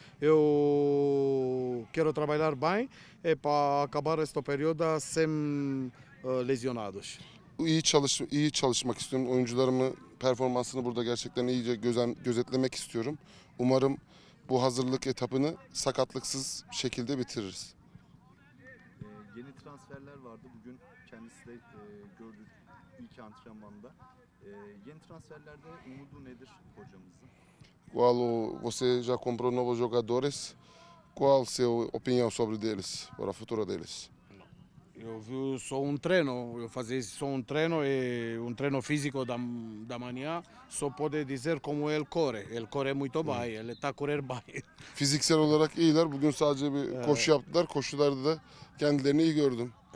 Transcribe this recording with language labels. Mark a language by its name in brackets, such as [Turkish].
[Portuguese] Eu quero trabalhar bem e para acabar este periodo sem lesionados. [Turkish] İyi çalışmak istiyorum. Oyuncularımı, performansını burada gerçekten iyice gözetlemek istiyorum. Umarım bu hazırlık etapını sakatlıksız şekilde bitiririz. Yeni transferler vardı bugün kendisi de gördü ilk antrenmanda. Yeni transferlerde umudu nedir hocamızın? [Portuguese] Qual você já comprou novos jogadores? Qual seu opinião sobre deles, para o futuro deles? Eu vi só treino, eu fazia só treino e treino físico da manhã, só pode dizer como ele corre. Ele corre muito bem, ele está a correr bem. [Turkish] Fiziksel olarak iyiler, bugün sadece bir koşu yaptılar, koşularda da kendilerini iyi gördüm.